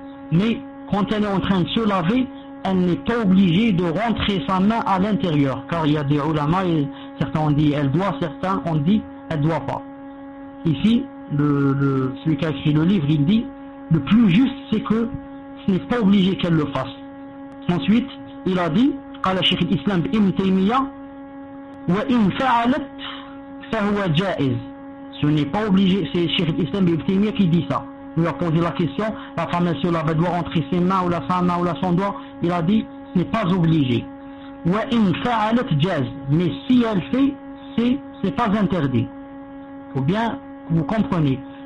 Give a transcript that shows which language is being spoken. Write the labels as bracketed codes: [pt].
[fr] Mais quand elle est en train de se laver, elle n'est pas obligée de rentrer sa main à l'intérieur. Car il y a des ulama, et certains ont dit elle doit, certains ont dit elle ne doit pas. Ici, celui qui a écrit le livre, il dit, le plus juste, c'est que ce n'est pas obligé qu'elle le fasse. Ensuite, il a dit, [ar] قال الشيخ الإسلام بإم تيمية وإن فعلت فهو جائز. [fr] Ce n'est pas obligé, c'est le Cheikh l'Islam Ibn Taymiyyah qui dit ça. Il lui a posé la question, la femme elle se lave, elle doit rentrer ses mains ou la sa main ou la son doigt. Il a dit, ce n'est pas obligé. [ar] وإن فعلت جائز. [fr] Mais si elle fait, c'est pas interdit. Faut bien que vous compreniez.